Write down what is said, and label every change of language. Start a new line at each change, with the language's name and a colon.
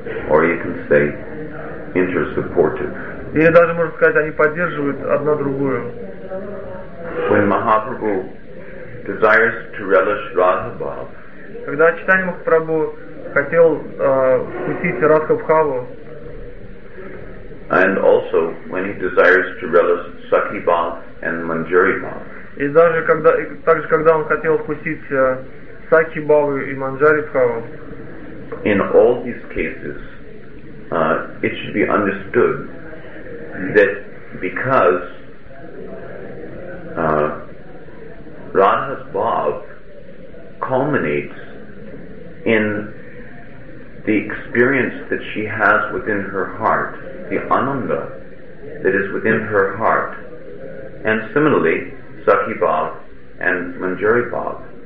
English: Or you can say intersupportive.
Russian: Или даже можно сказать, они поддерживают одна другую.
English: When Mahaprabhu desires to relish Radha Bhav.
Russian: Когда Чайтанья Махапрабху хотел вкусить Радха Бхаву.
English: And also when he desires to relish Sakhi Bhav and Manjari Bhav.
Russian: И даже когда он хотел вкусить Сакхи Бхаву и Манджари Бхаву.
English: In all these cases, it should be understood that because Radha's Bhav culminates in the experience that she has within her heart, the ananda that is within her heart, and similarly Sakhi Bhav and Manjari Bhav,